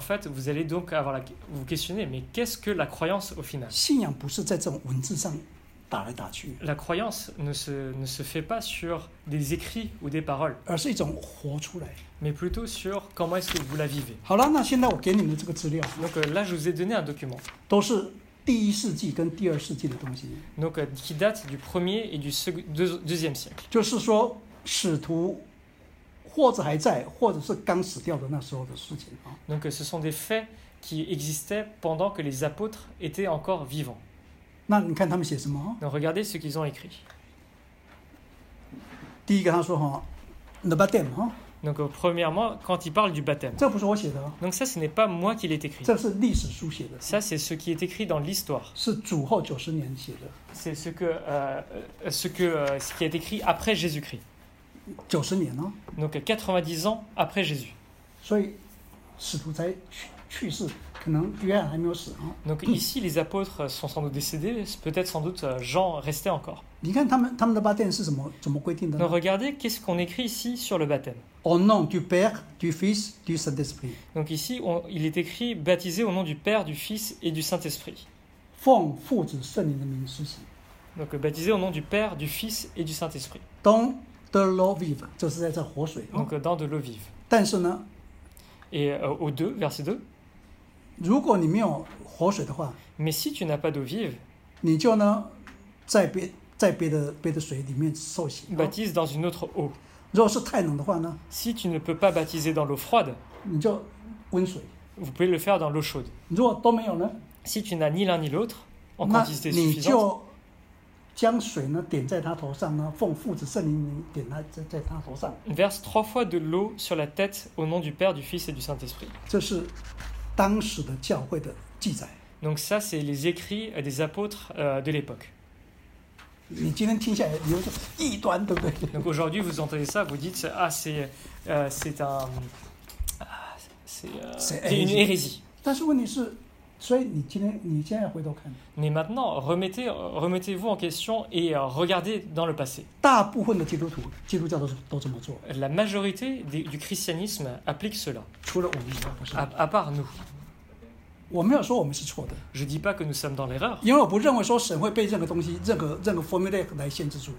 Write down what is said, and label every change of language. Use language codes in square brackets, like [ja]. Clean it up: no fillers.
[fr] ？En fait, vous allez donc vous questionner, mais qu'est-ce que la croyance au final？ [zh] 信仰不是在这种文字上打来打去。 [fr] La croyance ne se fait pas sur des écrits ou des paroles， [zh] 而是一种活出来。 [fr] Mais plutôt sur comment est-ce que vous la vivez. [zh] 好了，那现在我给你们这个资料。 [fr] Donc là, je vous ai donné un document. [zh] 都是第一世纪跟第二世纪的东西。 [fr] Donc qui date du premier et du deuxième siècle. [zh] 就是说，使徒或者还在，或者是刚死掉的那时候的事情啊。 [fr] Donc ce sont des faits qui existaient pendant que les apôtres étaient encore vivants. [zh] 那你看他们写什么？ [fr] Donc, regardez ce qu'ils ont écrit. [zh] 第一个他说哈 ，le baptême 哈。 [fr] Donc premièrement, quand il parle du baptême. [zh] 这不是我写的。 [fr] Donc ça, ce n'est pas moi qui l'ai écrit. [zh] 这是历史书写的。 [fr] Ça, c'est ce qui est écrit dans l'histoire. [zh] 是主后九十年写的。 [fr] C'est ce que ce qui est écrit après Jésus-Christ. [zh] 九十年呢 [fr] ？Donc 90 ans après Jésus. [zh] 所以使徒才去世。 [fr] Donc ici les apôtres sont sans doute décédés, peut-être sans doute Jean restait encore. Donc regardez qu'est-ce qu'on écrit ici sur le baptême. Au nom du Père, du Fils, du Saint-Esprit. Donc ici il est écrit baptisé au nom du Père, du Fils et du Saint-Esprit. Donc baptisé au nom du Père, du Fils et du Saint-Esprit. Dans de l'eau vive, [zh] 就是在这活水, [fr] donc dans de l'eau vive. [zh] 但是呢, [fr] et au 2, verset 2. [zh] 如果你没有活水的话 [fr] Mais si tu n'as pas d'eau vive, [zh] 你就呢在 别的水里面受洗 [fr] baptise dans une autre eau. [zh] 如果是太冷的话呢 [fr] Si tu ne peux pas baptiser dans l'eau froide, [zh] 你就温水 [fr] Vous pouvez le faire dans l'eau chaude. [zh] 如果都没有呢 [fr] Si tu n'as ni l'un ni l'autre, en quantité suffisante, [zh] 你就将水呢点在他头上呢奉父子圣灵点在他头上 [fr] Verse trois fois de l'eau sur la tête au nom du Père, du Fils et du Saint-Esprit. [zh] 这是当时的教会的记载。 [fr] Donc ça c'est les écrits des apôtres de l'époque. [zh] 你今天听下来，你有点异端，对不对 [fr] ？Donc aujourd'hui vous entendez ça, vous dites ah c'est un c'est une hérésie. [zh] 但是问题是，所以你现在回头看。 [fr] Mais maintenant remettez-vous en question et regardez dans le passé. [zh] 大部分的基督教都这么做。 [fr] La majorité du christianisme applique cela. [zh] 除了我们以外， [fr] à part nous. [zh] 我没有说我们是错的。 [fr] Je dis pas que nous sommes dans l'erreur. [zh] 因为我不认为说神会被任何 formulaire 来限制住。